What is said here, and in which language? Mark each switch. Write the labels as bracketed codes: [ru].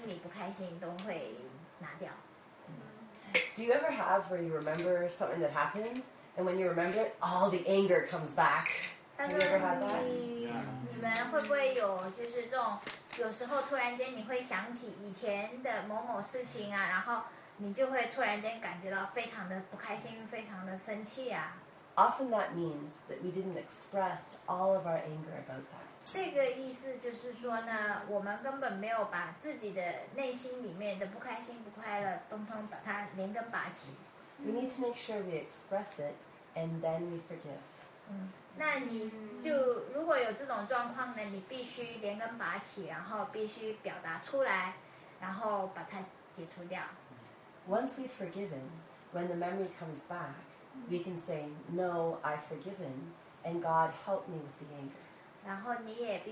[zh] 他说，写信呢，真的能帮助你把你的里面心里不开心都会拿掉。 [en] Do you ever have where you remember something that happened, and when you remember it, all the anger comes back? Have you ever had that? [zh] 你们会不会有就是这种，有时候突然间你会想起以前的某某事情啊，然后你就会突然间感觉到非常的不开心，非常的生气啊。 [en] Often that means that we didn't express all of our anger about that. [zh] 这个意思就是说呢，我们根本没有把自己的内心里面的不开心、不快乐，统统把它连根拔起。 [en] We need to make sure we express it, and then we forgive. [zh] 那你就如果有这种状况呢，你必须连根拔起，然后必须表达出来，然后把它解除掉。 [en] Once we've forgiven, when the memory comes back, we can say, "No, I've forgiven, and God help me with the anger."